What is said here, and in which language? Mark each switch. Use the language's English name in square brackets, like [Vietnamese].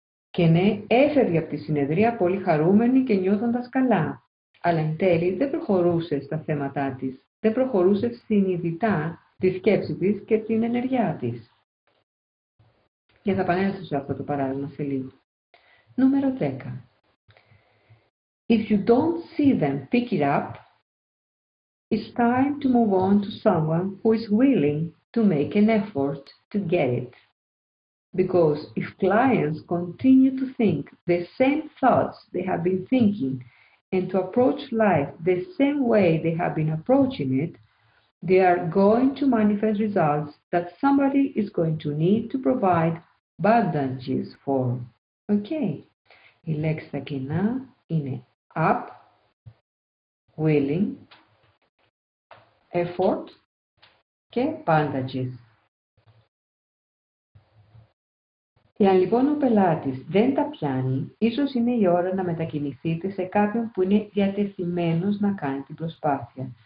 [Greek] Και ναι, έφευγε από τη συνεδρία πολύ χαρούμενη και νιώθοντας καλά, αλλά εν τέλει δεν προχωρούσε στα θέματα της, δεν προχωρούσε συνειδητά τη σκέψη της και την ενέργειά της. Και θα επανέλθω σε αυτό το παράδειγμα σε λίγο. Νούμερο 10. [English] If you don't see them pick it up, it's time to move on to someone who is willing to make an effort to get it. Because if clients continue to think the same thoughts they have been thinking and to approach life the same way they have been approaching it, they are going to manifest results that somebody is going to need to provide bandages for. Okay. [Greek] Η λέξη τα κενά είναι up, willing, effort και bandages. Εάν λοιπόν ο πελάτης δεν τα πιάνει, ίσως είναι η ώρα να μετακινηθείτε σε κάποιον που είναι διατεθειμένος να κάνει την προσπάθεια.